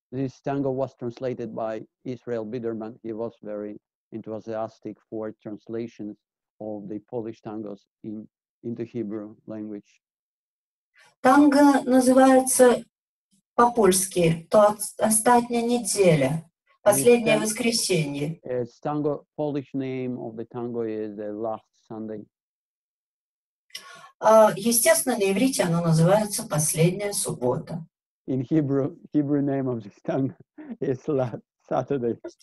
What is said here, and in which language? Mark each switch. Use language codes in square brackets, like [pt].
[en] This tango was translated by Israel Biderman. He was very enthusiastic for translations of the Polish tangos into Hebrew language. [ru] Танго называется по-польски, то остатняя неделя, последнее воскресенье. [en] It's tango, Polish name of the tango is the last Sunday. [ru] Естественно, на иврите оно называется последняя суббота. [en] In Hebrew name of this tango is last Saturday.